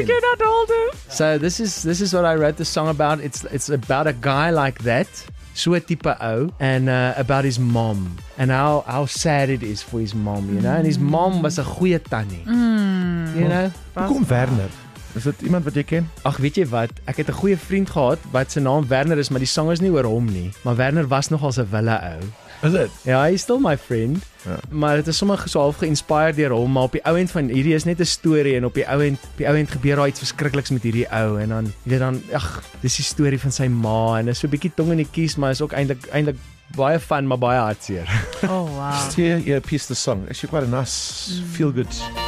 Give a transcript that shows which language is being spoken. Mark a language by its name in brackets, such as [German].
[English] You cannot hold him. So this is what I wrote the song about. It's about a guy like that, so type O, and about his mom and how sad it is for his mom, you know. And his mom was a [Afrikaans] goeie tannie, [English] you know. [Afrikaans] Hoe kom Werner? Is dit iemand wat jy ken? Ag, weet jy wat? Ek het 'n goeie vriend gehad wat sy naam Werner is, maar die song is nie oor hom nie. Maar Werner was nogal 'n wille ou. [English] Is it? Ja, he's still my friend. Ja. [Afrikaans] Maar het is sommer so half geïnspireerd deur hom, maar op die ou end van hierdie is net 'n story en op die ou end gebeur daar iets verskrikliks met hierdie ou en dan jy weet dan ag, dis die story van sy ma en is so 'n bietjie tong in die kies, maar is ook eintlik baie fun maar baie hartseer. [English] Oh wow. Just hear your piece the song. It's quite a nice feel good.